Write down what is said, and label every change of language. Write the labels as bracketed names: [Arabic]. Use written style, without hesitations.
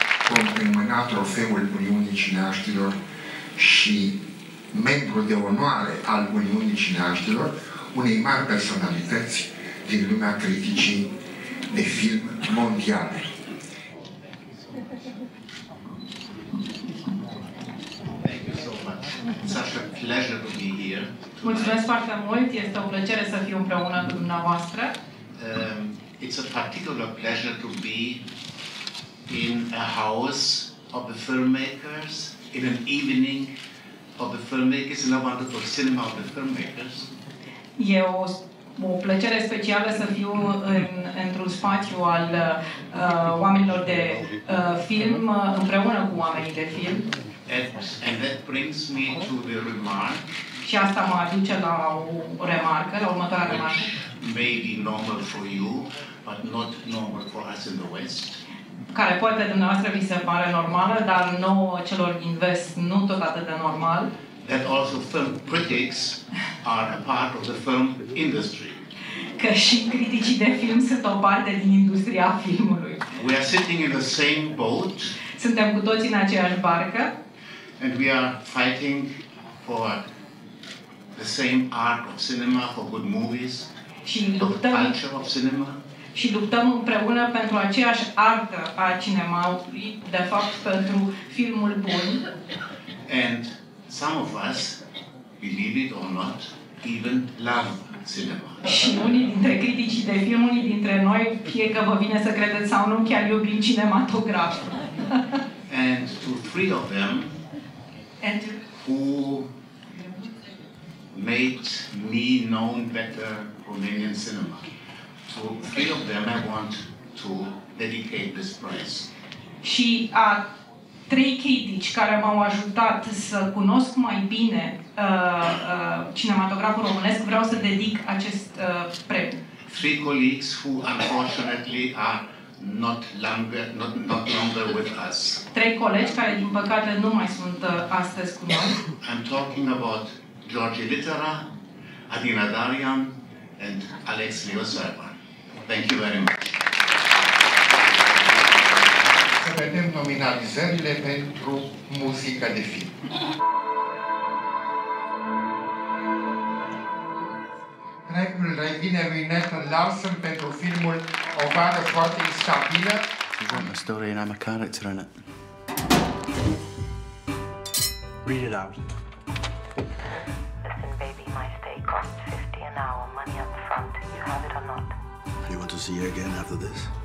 [Romanian] Vom primâna trofeul Uniunii Cineaștilor și membru de onoare al Uniunii Cineaștilor unei mari personalități din lumea criticii de film mondiale. [English] Thank you. pleasure to be here. [Romanian] Mulțumesc foarte mult. Este o plăcere să fiu împreună cu dumneavoastră. [English] It's a particular pleasure to be in a house of the filmmakers, in an evening of the filmmakers, in a wonderful cinema of the filmmakers. [Romanian] E o plăcere specială să fiu într-un spațiu al oamenilor de film, împreună cu oamenii de film. [English] And that brings me to the remark. [Romanian] Și asta mă aduce la o remarcă, la următoarea remarcă. [English] May be normal for you, but not normal for us in the West. [Romanian] Care poate dumneavoastră vi se pare normală, dar nouă celor din vest nu tot atât de normal. [English] That also film critics are a part of the film industry. [Romanian] Că și criticii de film sunt o parte din industria filmului. [English] We are sitting in the same boat. [Romanian] Suntem cu toții în aceeași barcă. [English] And we are fighting for the same art of cinema, for good movies. [Romanian] Și luptăm [English] for culture of cinema. [Romanian] Și luptăm împreună pentru aceeași artă a cinemaului, de fapt pentru filmul bun. [English] And some of us, believe it or not, even love cinema. [Romanian] Și unii dintre criticii de film, unii dintre noi, fie că vă vine să credeți sau nu, chiar iubim cinematograful. [English] And to three of them, and who made me known better Romanian cinema. To three of them, I want to dedicate this prize. [Romanian] Și a trei critici care m-au ajutat să cunosc mai bine cinematograful românesc, vreau să dedic acest premiu. [English] Three colleagues who unfortunately are not longer with us. [Romanian] Trei colegi care din păcate nu mai sunt astăzi cu noi. [English] I'm talking about George Litera, Adina Darian and Alex Leo Serban. Thank you very much. [Romanian] Să vedem nominalizările pentru muzica de film. Dragul revine lui Nathan Larson pentru filmul O vară foarte instabilă. [English] You want a story and I'm a character in it. Read it out. This baby, my stay costs 50 an hour, money up front. You have it or not? Do you want to see her again after this?